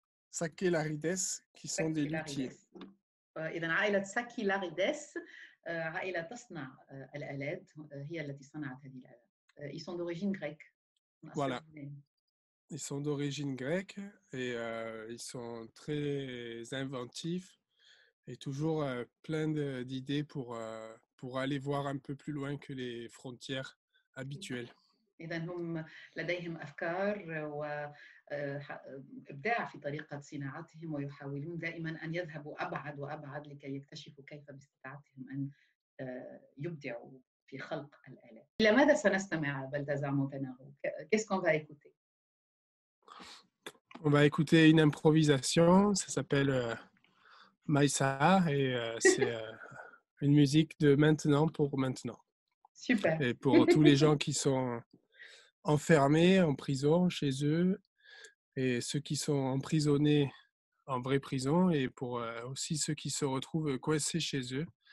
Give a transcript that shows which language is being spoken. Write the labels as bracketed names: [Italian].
[French] Sakellarides qui sont des luthiers. [Arabic] إذن عائلة ساكي لاريدس عائلة تصنع الآلات هي التي صنعت هذه الآلات. [French] Ils sont d'origine grecque. Voilà. Ils sont d'origine grecque et ils sont très inventifs et toujours plein d'idées pour aller voir un peu plus loin que les frontières habituelles. [Arabic] إذن هم لديهم أفكار وإبداع في طريقة صناعتهم ويحاولون دائما أن يذهبوا أبعد وأبعد لكي يكتشفوا كيف باستطاعتهم أن يبدعوا في خلق الآلات. إلى ماذا سنستمع بلتازا مونتناغو؟ [French] Qu'est-ce qu'on va écouter? On va écouter une improvisation, ça s'appelle Maïssa et c'est une musique de maintenant pour maintenant. Super. Et pour tous les gens qui sont enfermés en prison chez eux et ceux qui sont emprisonnés en vraie prison et pour aussi ceux qui se retrouvent coincés chez eux